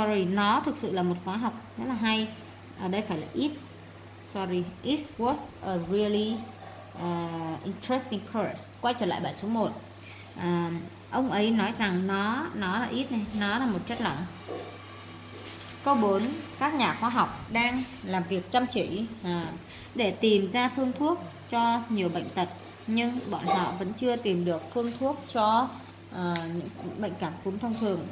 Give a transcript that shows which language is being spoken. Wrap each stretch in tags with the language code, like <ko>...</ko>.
<vi>Nó thực sự là một khóa học rất là hay. Ở đây phải là it.</vi> <en>Sorry, it was a really interesting course.</en> <vi>Quay trở lại bài số 1. Ông ấy nói rằng nó là ít này, nó là một chất lỏng. Câu 4, các nhà khoa học đang làm việc chăm chỉ để tìm ra phương thuốc cho nhiều bệnh tật, nhưng bọn họ vẫn chưa tìm được phương thuốc cho những bệnh cảm cúm thông thường.</vi>